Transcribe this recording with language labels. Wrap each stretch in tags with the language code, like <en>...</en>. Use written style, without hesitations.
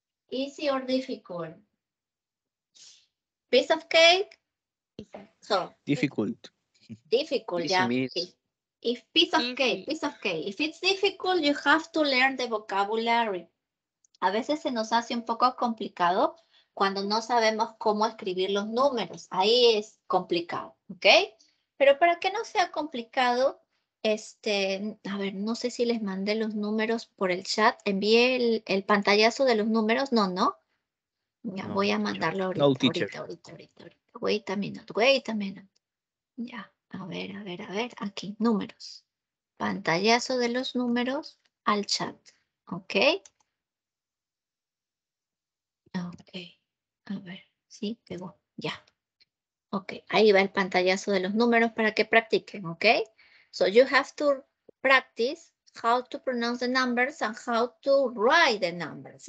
<en>Easy or difficult? Piece of cake? So. Difficult. Difficult, yeah. If piece of cake, if it's difficult, you have to learn the vocabulary.</en> <es>A veces se nos hace un poco complicado cuando no sabemos cómo escribir los números. Ahí es complicado, ¿ok? Pero para que no sea complicado, a ver, no sé si les mandé los números por el chat. Envié el pantallazo de los números. No, no. Ya, no, voy a mandarlo ahorita.</es> <en>No, teacher. Wait a minute.</en> <es>Ya. A ver, aquí, números. Pantallazo de los números al chat, ¿ok? Ok, a ver, sí, pegó, ya. Ok, ahí va el pantallazo de los números para que practiquen, ¿ok?</es> <en>So you have to practice how to pronounce the numbers and how to write the numbers.</en>